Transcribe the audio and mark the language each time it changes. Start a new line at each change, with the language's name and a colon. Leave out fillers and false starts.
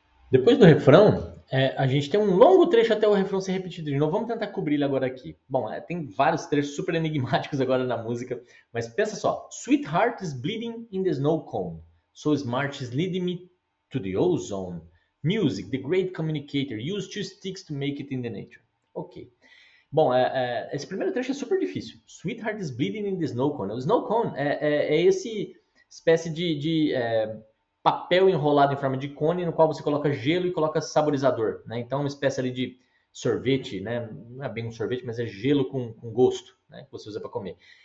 Portuguese: Depois do refrão, a gente tem um longo trecho até o refrão ser repetido de novo. Vamos tentar cobrir ele agora aqui. Bom, tem vários trechos super enigmáticos agora na música, mas pensa só:
English: Sweetheart is bleeding in the snow cone. So smart is leading me to the ozone. Music, the great communicator, use two sticks to make it in the nature. Ok.
Portuguese: Bom, esse primeiro trecho é super difícil.
English: Sweetheart is bleeding in the snow cone.
Portuguese: O snow cone é esse espécie de papel enrolado em forma de cone no qual você coloca gelo e coloca saborizador, né? Então, uma espécie ali de sorvete, né? Não é bem um sorvete, mas é gelo com gosto, né? Que você usa para comer.